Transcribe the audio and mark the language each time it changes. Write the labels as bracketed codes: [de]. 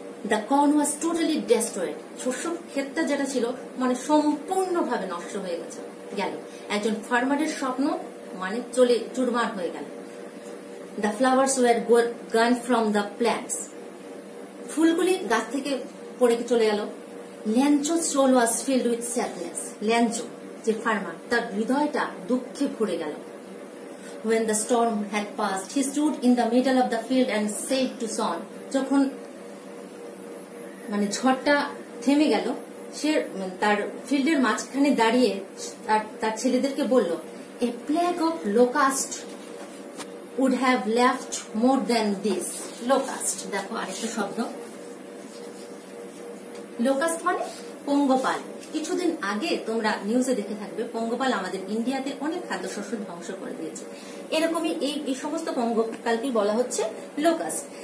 [en] the corn was totally destroyed, [bn] শস্য ক্ষেতটা যেটা ছিল মানে সম্পূর্ণভাবে নষ্ট হয়ে গেছে গেল, একজন ফার্মারের স্বপ্ন মানে চলে চুরমার হয়ে গেল। [en] the flowers were gone from the plants, [bn] ফুলগুলি গাছ থেকে পড়ে চলে গেল। [en] Lencho soul was filled with sadness, [bn] ল্যাঞ্চো যে ফার্মার তার হৃদয়টা দুঃখে ভরে গেল। [en] When the storm had passed, he stood in the middle of the field and said to son, [bn] যখন মানে ঝড়টা থেমে গেল, সে তার ফিল্ডের মাঝখানে দাঁড়িয়ে তার ছেলেদেরকে বলল, [en] A plague of locust would have left more than this. [bn] Locust, দেখো আরেকটা শব্দ, লোকাস্ট মানে পঙ্গপাল। কিছুদিন আগে তোমরা নিউজে দেখে থাকবে পঙ্গপাল আমাদের ইন্ডিয়াতে অনেক খাদ্যশস্য ধ্বংস করে দিয়েছে, এরকমই এই সমস্ত পঙ্গপালকে বলা হচ্ছে লোকাস্ট।